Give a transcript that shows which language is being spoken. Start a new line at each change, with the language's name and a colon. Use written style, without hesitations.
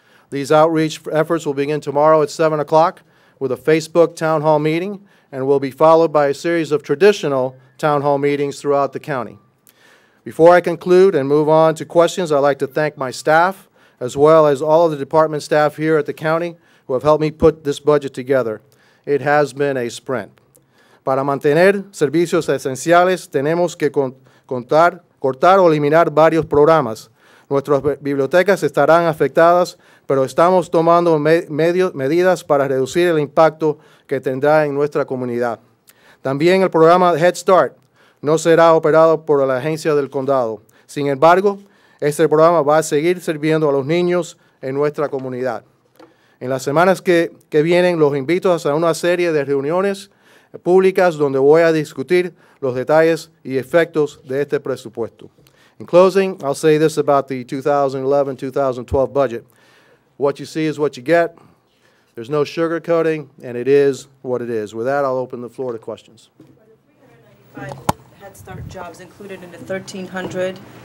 English: These outreach efforts will begin tomorrow at 7 o'clock with a Facebook town hall meeting and will be followed by a series of traditional town hall meetings throughout the county. Before I conclude and move on to questions, I'd like to thank my staff as well as all of the department staff here at the county who have helped me put this budget together. It has been a sprint.
Spanish: Para mantener servicios esenciales, tenemos que cortar o eliminar varios programas. Nuestras bibliotecas estarán afectadas, pero estamos tomando medidas para reducir el impacto que tendrá en nuestra comunidad. También el programa Head Start no será operado por la agencia del condado. Sin embargo, este programa va a seguir sirviendo a los niños en nuestra comunidad. En las semanas que vienen, los invito a una serie de reuniones públicas donde voy a discutir los detalles y efectos de este presupuesto.
English: In closing, I'll say this about the 2011-2012 budget. What you see is what you get. There's no sugarcoating, and it is what it is. With that, I'll open the floor to questions. Are the 395 Head Start jobs included in the 1,300?